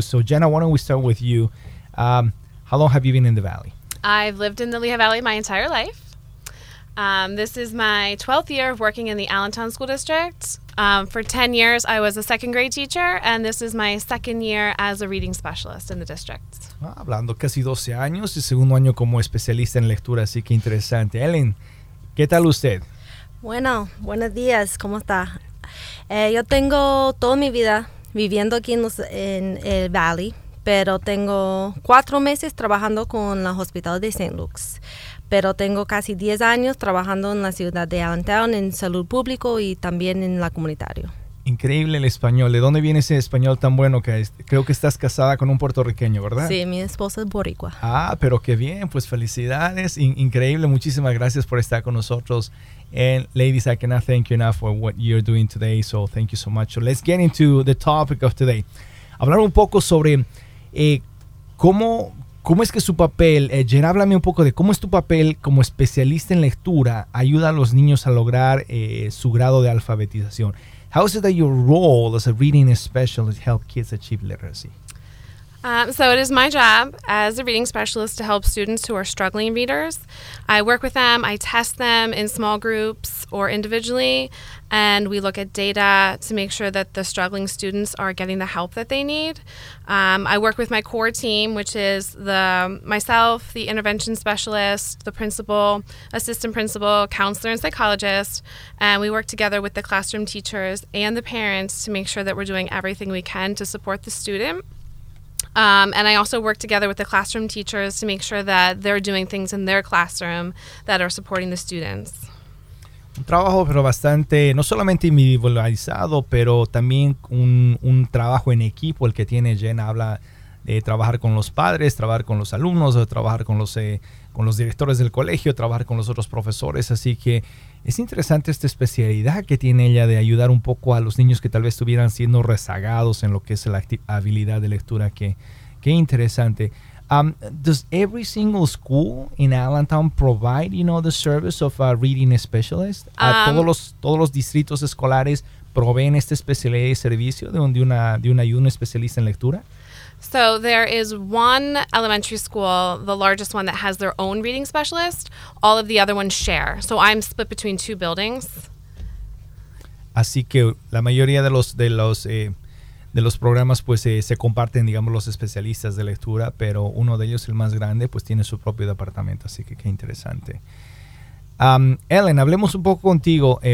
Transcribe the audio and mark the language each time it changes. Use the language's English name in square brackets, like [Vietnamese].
[English] So, Jenna, why don't we start with you? How long have you been in the Valley? I've lived in the Lehigh Valley my entire life. This is my 12th year of working in the Allentown School District. For 10 years, I was a second grade teacher, and this is my second year as a reading specialist in the district. [Spanish] Ah, hablando casi 12 años y segundo año como especialista en lectura, así que interesante. Ellen, ¿qué tal usted? Bueno, buenos días. ¿Cómo está? Yo tengo toda mi vida viviendo aquí en el Valley, pero tengo 4 meses trabajando con los hospitales de St. Luke's. Pero tengo casi 10 años trabajando en la ciudad de Allentown en salud público y también en la comunitario. Increíble el español. ¿De dónde viene ese español tan bueno? Creo que estás casada con un puertorriqueño, ¿verdad? Sí, mi esposa es boricua. Ah, pero qué bien. Pues felicidades. Increíble. Muchísimas gracias por estar con nosotros. [English] And ladies, I cannot thank you enough for what you're doing today. So thank you so much. So let's get into the topic of today. [Spanish] Hablar un poco sobre cómo es que su papel, Jen, háblame un poco de cómo es tu papel como especialista en lectura ayuda a los niños a lograr su grado de alfabetización. [English] How is it that your role as a reading specialist help kids achieve literacy? So it is my job as a reading specialist to help students who are struggling readers. I work with them, I test them in small groups or individually, and we look at data to make sure that the struggling students are getting the help that they need. I work with my core team, which is myself, the intervention specialist, the principal, assistant principal, counselor, and psychologist, and we work together with the classroom teachers and the parents to make sure that we're doing everything we can to support the student. And I also work together with the classroom teachers to make sure that they're doing things in their classroom that are supporting the students. [Spanish] Un trabajo pero bastante, no solamente individualizado, pero también un trabajo en equipo, el que tiene Jen habla de trabajar con los padres, trabajar con los alumnos, o trabajar con los directores del colegio, trabajar con los otros profesores. Así que es interesante esta especialidad que tiene ella de ayudar un poco a los niños que tal vez estuvieran siendo rezagados en lo que es la habilidad de lectura. Qué interesante. [English] Does every single school in Allentown provide, you know, the service of a reading specialist? [Spanish] ¿Todos los distritos escolares proveen esta especialidad y servicio de una ayuda especialista en lectura? [English] So there is one elementary school, the largest one, that has their own reading specialist. All of the other ones share. So I'm split between two buildings. [Spanish] Así que la mayoría de los programas pues se comparten, digamos, los especialistas de lectura, pero uno de ellos, el más grande, pues tiene su propio departamento. Así que qué interesante. Ellen, hablemos un poco contigo.